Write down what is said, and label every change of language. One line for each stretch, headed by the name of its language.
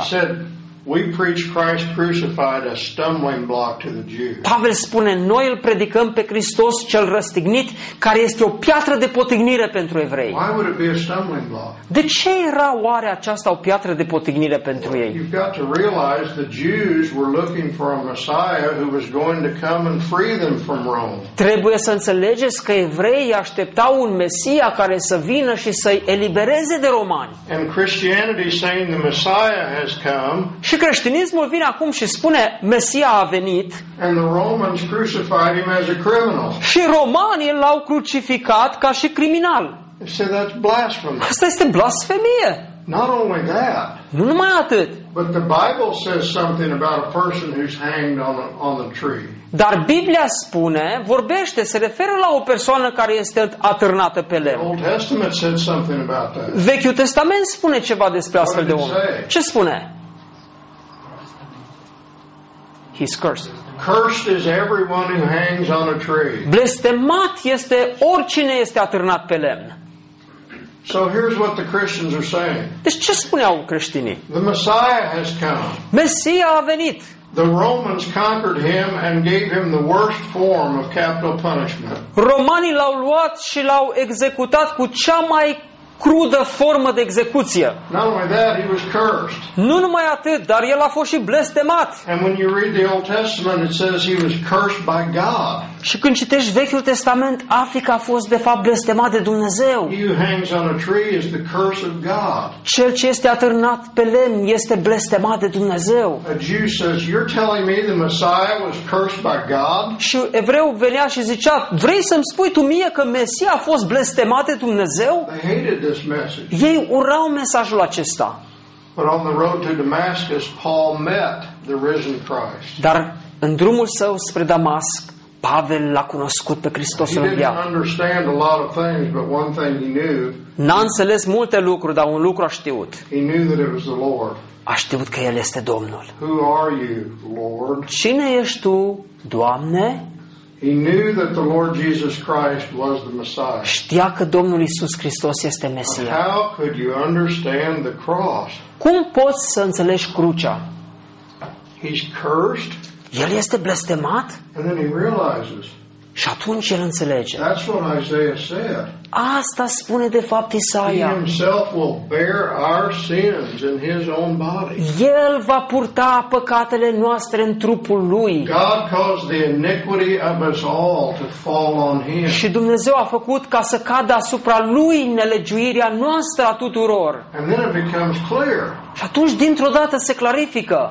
English: He said, we preach Christ crucified a stumbling block to the Jews.
Romanian: Pavel spune, noi îl predicăm pe Hristos cel răstignit, care este o piatră de potignire pentru evrei.
English: Why would it be a stumbling block?
Romanian: De ce era oare aceasta o piatră de potignire pentru ei?
English: You've got to realize the Jews were looking for a Messiah who was going to come and free them from Rome.
Romanian: Trebuie să înțelegeți că evreii așteptau un Mesia care să vină și să-i elibereze de romani.
English: And Christianity saying the Messiah has come.
Romanian: Și creștinismul vine acum și spune Mesia a venit.
English: And the Romans crucified him as a criminal.
Romanian: Și romanii l-au crucificat ca și criminal.
English: So that's blasphemy.
Romanian: Asta este blasfemie.
English: Not only that.
Romanian: Nu numai atât.
English: But the Bible says something about a person who's hanged on the tree.
Romanian: Dar Biblia spune, vorbește, se referă la o persoană care este atârnată pe lemn.
English: Old Testament said something about that.
Romanian: Vechiul Testament spune ceva despre
English: what
Romanian: astfel de om.
English: Say?
Romanian: Ce spune?
English: He's cursed. Cursed is everyone who hangs on a tree.
Romanian: Blestemat este oricine este atârnat pe lemn.
English: So here's what the Christians are saying.
Romanian: Deci ce spuneau creștinii?
English: The Messiah has come.
Romanian: Mesia a venit.
English: The Romans conquered him and gave him the worst form of capital punishment.
Romanian: Romanii l-au luat și l-au executat cu cea mai crudă formă de execuție.
English: Not only that, he was cursed.
Romanian: Nu numai atât, dar el a fost și blestemat.
English: And when you read the Old Testament, it says he was cursed by God.
Romanian: Și când citești Vechiul Testament, afli că a fost de fapt blestemat de Dumnezeu.
English: He who hangs on a tree is the curse of God.
Romanian: Cel ce este atârnat pe lemn este blestemat de Dumnezeu.
English: A Jew says, you're telling me the Messiah was cursed by God?
Romanian: Și evreul venea și zicea, vrei să-mi spui tu mie că Mesia a fost blestemat de Dumnezeu? Ei urau mesajul acesta.
English: But on the road to Damascus, Paul met the risen Christ.
Romanian: Dar în drumul său spre Damasc, Pavel l-a cunoscut pe Hristos înviat.
English: He didn't understand a lot of things, but one thing he knew.
Romanian: N-a înțeles multe lucruri, dar un lucru a știut.
English: He knew that it was the Lord.
Romanian: A știut că El este Domnul.
English: Who are you, Lord?
Romanian: Cine ești tu, Doamne?
English: He knew that the Lord Jesus Christ was the Messiah.
Romanian: Știa că Domnul Iisus Hristos este Mesia.
English: How could you understand the cross?
Romanian: Cum poți să înțelegi crucea?
English: He's cursed.
Romanian: El este blestemat?
English: And then he realizes.
Romanian: Și atunci el înțelege.
English: That's what Isaiah said.
Romanian: Asta spune de fapt Isaia.
English: He himself will bear our sins in his own body.
Romanian: El va purta păcatele noastre în trupul lui.
English: God caused the iniquity of us all to fall on him.
Romanian: Și Dumnezeu a făcut ca să cadă asupra lui nelegiuirea noastră a tuturor.
English: And then it becomes clear.
Romanian: Și atunci dintr-o dată se clarifică.